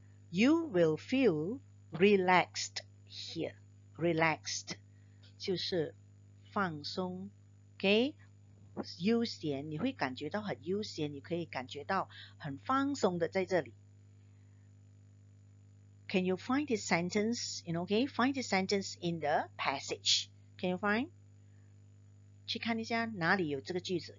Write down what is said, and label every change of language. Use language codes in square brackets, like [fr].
[en] You will feel relaxed here. [zh] Relaxed 就是放松. Okay, 悠闲, 你会感觉到很悠闲, 你可以感觉到很放松的在这里. [en] Can you find this sentence? You know, okay, find this sentence in the passage. Can you find? [zh] 去看一下哪里有这个句子.